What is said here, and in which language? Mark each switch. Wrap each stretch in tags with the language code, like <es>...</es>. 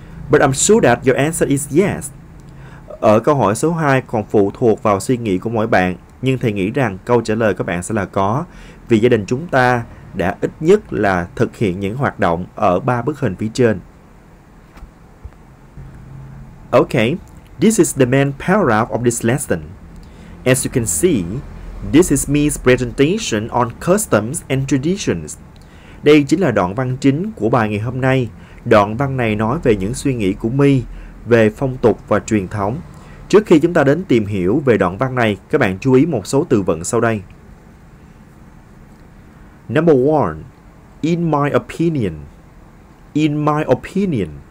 <en>But I'm sure that your answer is yes.</en> <vi>Ở câu hỏi số 2 còn phụ thuộc vào suy nghĩ của mỗi bạn. Nhưng thầy nghĩ rằng câu trả lời các bạn sẽ là có, vì gia đình chúng ta đã ít nhất là thực hiện những hoạt động ở ba bức hình phía trên.</vi> <en>Okay, this is the main paragraph of this lesson. As you can see, This is Mi's presentation on customs and traditions.</en> <vi>Đây chính là đoạn văn chính của bài ngày hôm nay. Đoạn văn này nói về những suy nghĩ của Mi về phong tục và truyền thống. Trước khi chúng ta đến tìm hiểu về đoạn văn này, các bạn chú ý một số từ vựng sau đây.</vi> <en>Number one, in my opinion. In my opinion.</en>